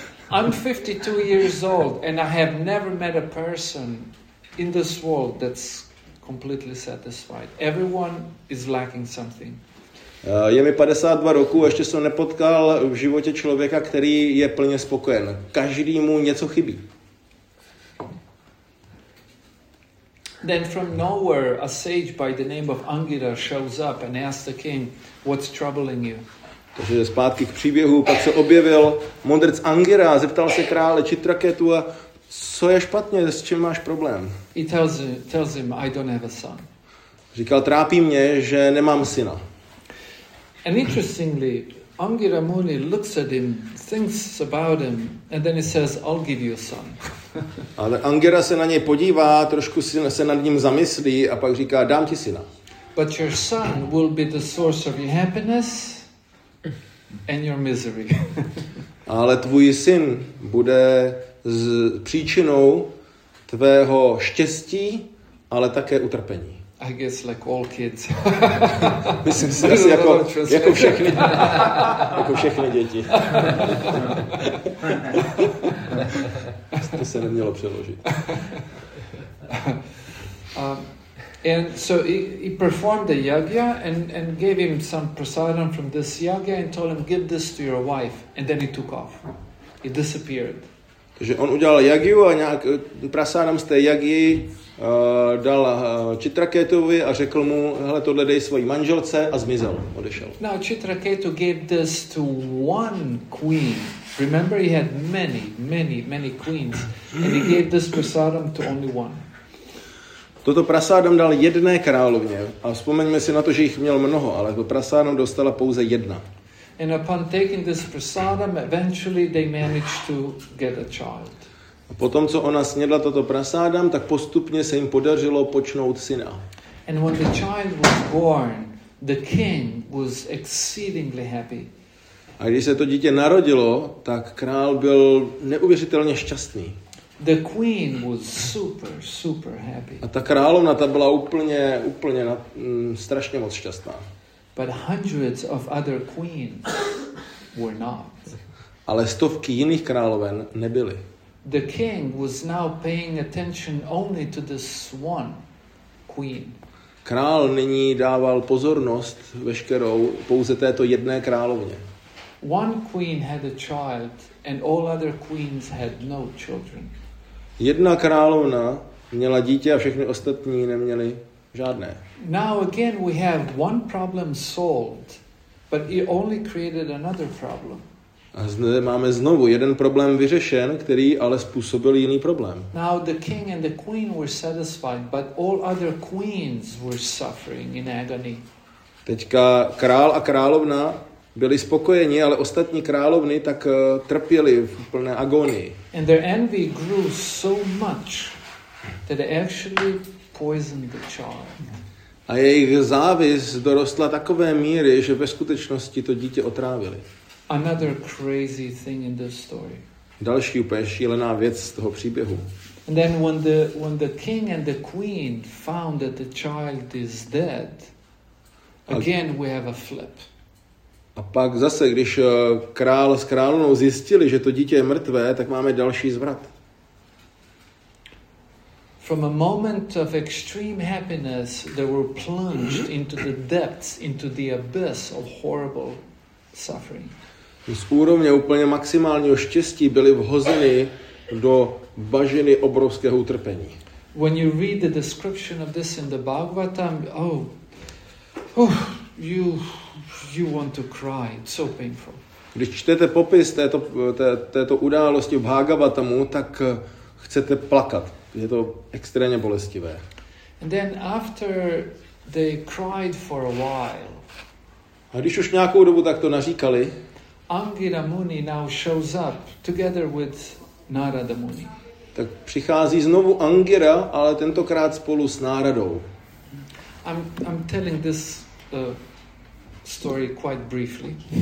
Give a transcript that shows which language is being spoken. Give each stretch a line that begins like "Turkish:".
English: I'm 52 years old, and I have never met a person in this world that's completely satisfied. Everyone is lacking something.
Czech: Je mi 52 roku, ještě jsem nepotkal v životě člověka, který je plně spokojen. Každý mu něco chybí.
English: Then from nowhere a sage by the name of Angira shows up and asks the king, what's troubling you?
Czech: Takže zpátky k příběhu, pak se objevil mudrc Angira, zeptal se krále Chitraketu a co je špatně, s čím máš problém?
English: He tells him, I don't have a son.
Czech: Říkal, trápí mě, že nemám syna.
English: And interestingly, Angira Muni looks at him, thinks about him, and then he says, I'll give you a son.
Czech: Ale Angira se na něj podívá, trošku se nad ním zamyslí a pak říká, dám ti syna.
English: But your son will be the source of your happiness and your misery.
Czech: Ale tvůj syn bude s příčinou tvého štěstí, ale také utrpení.
English: I guess like all kids.
Czech: Myslím si, asi jako všechny. Jako všechny děti. To se nemělo přeložit.
English: And so he performed the yagya and gave him some prasadam from this yagya and told him, give this to your wife. And then he took off. He disappeared.
Czech: Že on udělal jagyu a nějak prasádám z té jagy dal Chitraketovi a řekl mu, hele, tohle dej svojí manželce a zmizel, odešel.
English: Now Chitraketu gave this to one queen. Remember he had many, many, many queens and he gave this prasádám to only one.
Czech: Toto prasádám dal jedné královně a vzpomeňme si na to, že jich měl mnoho, ale to prasádám dostala pouze jedna.
English: And upon taking this prasadam, eventually they managed to get a child.
Czech: A potom, co ona snědla toto prasadam, tak postupně se jim podařilo počnout syna.
English: And when the child was born, the king was exceedingly happy.
Czech: A když se to dítě narodilo, tak král byl neuvěřitelně šťastný.
English: The queen was super, super happy.
Czech: A ta královna, ta byla úplně strašně moc šťastná.
English: But hundreds of other queens were not.
Czech: Ale stovky jiných královen nebyly.
English: The king was now paying attention only to this one queen.
Czech: Král nyní dával pozornost veškerou pouze této jedné královně.
English: One queen had a child and all other queens had no children.
Czech: Jedna královna měla dítě a všechny ostatní neměly žádné.
English: Now again we have one problem solved, but it only created another problem.
Czech: A zde máme znovu jeden problém vyřešen, který ale způsobil jiný problém.
English: Now the king and the queen were satisfied, but all other queens were suffering in agony.
Czech: Teďka král a královna byli spokojeni, ale ostatní královny tak trpěli v plné agonii.
English: And their envy grew so much that they actually poisoned the child.
Czech: A jejich závist dorostla takové míry, že ve skutečnosti to dítě otrávili.
English: Another crazy thing in this story.
Czech: Další úplně šílená věc z toho příběhu.
English: And then when the king and the queen found that the child is dead, again we have a flip.
Czech: A pak zase, když král s královnou zjistili, že to dítě je mrtvé, tak máme další zvrat.
English: From a moment of extreme happiness, they were plunged into the depths, into the abyss of horrible suffering.
Czech: Z úrovně úplně maximálního štěstí byli vhozeni do bažiny obrovského utrpení.
English: When you read the description of this in the Bhagavatam, you want to cry. It's so painful.
Czech: Když čtete popis této události v Bhagavatamu, tak chcete plakat. Je to extrémně bolestivé.
English: And then after they cried for a while.
Czech: A když už nějakou dobu takto naříkali,
English: Angira Muni now shows up together with Narada Muni.
Czech: Tak přichází znovu Angira, ale tentokrát spolu s Náradou.
English: I'm telling this story quite briefly.